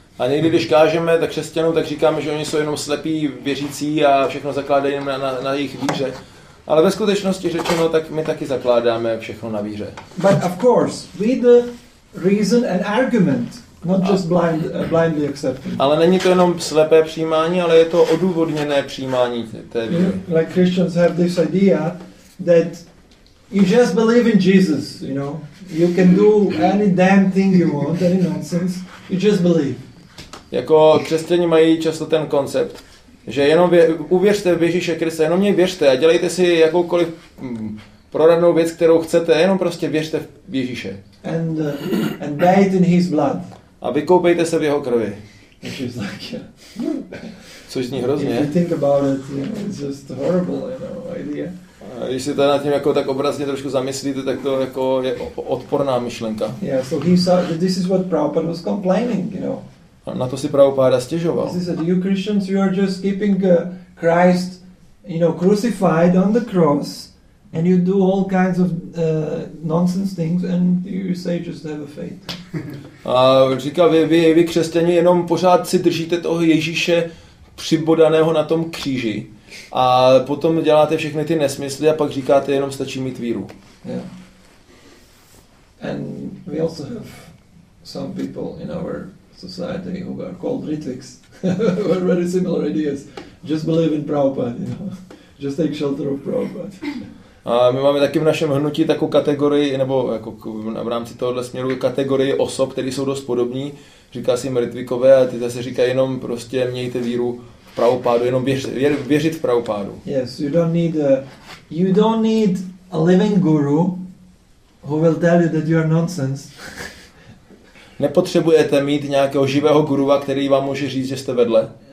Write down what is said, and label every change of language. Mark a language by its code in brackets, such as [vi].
[cs] A někdy, když kážeme tak křesťanům, tak říkáme, že oni jsou jenom slepí věřící a všechno zakládají na jejich víře, ale ve skutečnosti řečeno, tak my taky zakládáme všechno na víře. [en] But of course with the reason and argument, not just blindly accepting. [cs] Ale není to jenom slepé přijímání, ale je to odůvodněné přijímání. [en] Like Christians have this idea that you just believe in Jesus, you know. You can do any damn thing you want, any nonsense. You just believe. [cs] Jako křesťané mají často ten koncept, že jenom uvěřte v Ježíše Krista, jenom něj věřte a dělejte si jakoukoliv proradnou věc, kterou chcete, jenom prostě věřte v Ježíše. [en] And bathe in his blood. [cs] A vykoupejte se v jeho krvi. [en] Like, yeah. [cs] Což zní hrozně. [en] If you think about it, you know, it's just horrible, you know, idea. [cs] A když si to nad tím jako tak obrazně trošku zamyslíte, tak to jako je odporná myšlenka. [en] Yeah, so he said that this is what Prabhupada was complaining, you know. [cs] A na to si Prabhupada stěžoval. [en] He said, you Christians, you are just keeping Christ, you know, crucified on the cross, and you do all kinds of nonsense things, and you say just have a faith. [cs] A říká, vy křesťani jenom pořád si držíte toho Ježíše přibodaného na tom kříži a potom děláte všechny ty nesmysly a pak říkáte, jenom stačí mít víru. [en] Yeah. And we also have some people in our society who are called Ritviks. Very similar ideas. Just believe in Prabhupada, you know. Just take shelter of Prabhupada. [cs] A my máme taky v našem hnutí takovou kategorii, nebo jako v rámci tohoto směru kategorii osob, které jsou dost podobní. Říká si jim Ritvikové a ty zase říkají jenom prostě mějte víru v Prabhupádu, jenom věřit v Prabhupádu. [en] Yes, you don't need a living guru who will tell you that you are nonsense. [cs] Nepotřebujete mít nějakého živého guruva, který vám může říct, že jste vedle.